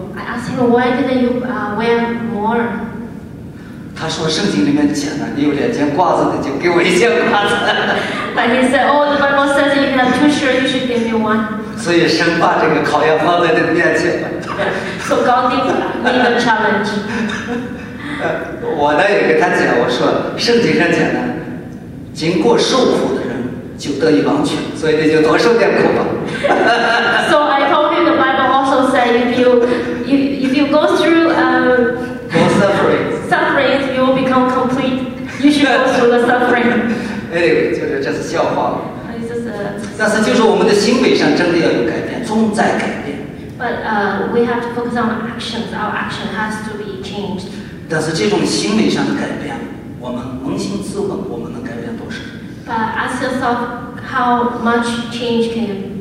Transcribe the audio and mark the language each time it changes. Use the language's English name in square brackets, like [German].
[English] I asked him why didn't you wear more. [Chinese] 他说圣经里面讲了，你有两件褂子的，就给我一件褂子。 [English] But he said, oh, the Bible says you have two shirts, you should give me one. [Chinese] 所以神把这个考验放在你面前。 [English] So God gave me the challenge. [Chinese] 我呢也跟他讲，我说圣经上讲的，经过受苦的人就得以完全，所以你就多受点苦吧。 [English] So I told him the Bible also said if you go through suffering, you will become complete. You should go through the suffering. Anyway, [Chinese] 就是这是笑话。 [English] It's just [Chinese] 但是就是我们的行为上真的要有改变，重在改变。 [English] But we have to focus on actions. Our action has to be changed. [Chinese] 但是这种行为上的改变，我们扪心自问，我们能改变多少 [English] ？But ask yourself how much change can you?